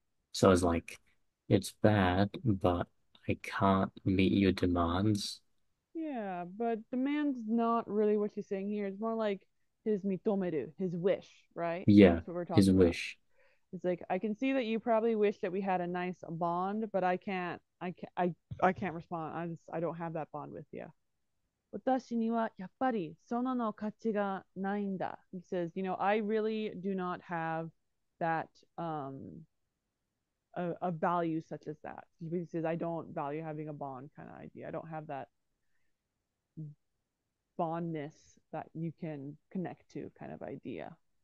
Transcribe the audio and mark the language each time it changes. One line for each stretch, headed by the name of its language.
English: So it's like, it's bad, but I can't meet your demands. Yeah, but the man's not really what she's saying here. It's more like his mitomeru, his wish, right? Yeah, That's what we're his talking about. wish. It's like I can see that you probably wish that we had a nice bond, but I can't respond. I don't have that bond with you.
Japanese: 私にはやっぱりその価値がないんだ.
English: He says, you know, I really do not have that a value such as that. He says I don't value having a bond kind of idea. I don't have that bondness that you can connect to kind of idea.